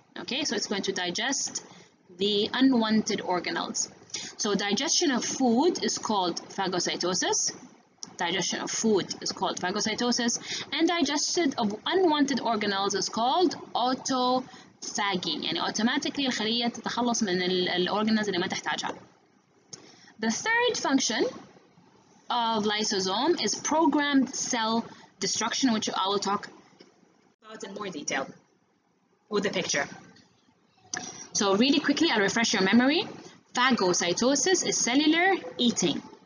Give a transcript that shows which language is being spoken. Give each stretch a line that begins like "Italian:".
English: Okay, so it's going to digest the unwanted organelles. So digestion of food is called phagocytosis. Digestion of food is called phagocytosis, and digestion of unwanted organelles is called autophagy.
Arabic: يعني automatically الخلية تتخلص من الـ organelles اللي ما تحتاجها.
English: The third function of lysosome is programmed cell destruction, which I will talk about in more detail with the picture. So really quickly, I'll refresh your memory. Phagocytosis is cellular eating.